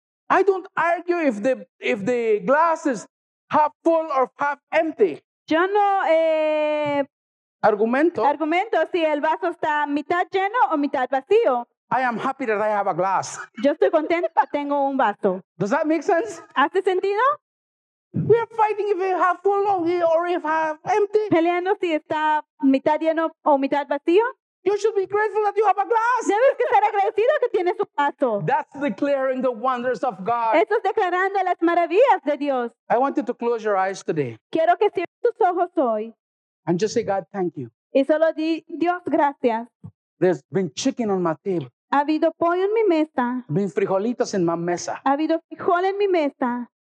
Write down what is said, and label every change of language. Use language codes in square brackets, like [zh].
[en] I don't argue if the glass is half full or half empty. [es] Yo no argumento si el vaso está mitad lleno o mitad vacío. [en] I am happy that I have a glass. [es] Yo estoy contento que tengo un vaso. [en] Does that make sense? [es] ¿Hace sentido? [en] We are fighting if we have full or if have empty. [es] Peleando si está mitad lleno o mitad vacío. [en] You should be grateful that you have a glass. [es] Debes que estar agradecido que tienes un vaso. [en] That's declaring the wonders of God. [es] Eso es declarando las maravillas de Dios. [en] I want you to close your eyes today. [es] Quiero que cierres tus ojos hoy. [en] And just say, God, thank you. [es] Y solo di Dios gracias. [en] There's been chicken on my table. [es] Ha habido pollo en mi mesa. [en] Been [es] frijolitos en mi mesa. Ha habido frijol en mi mesa.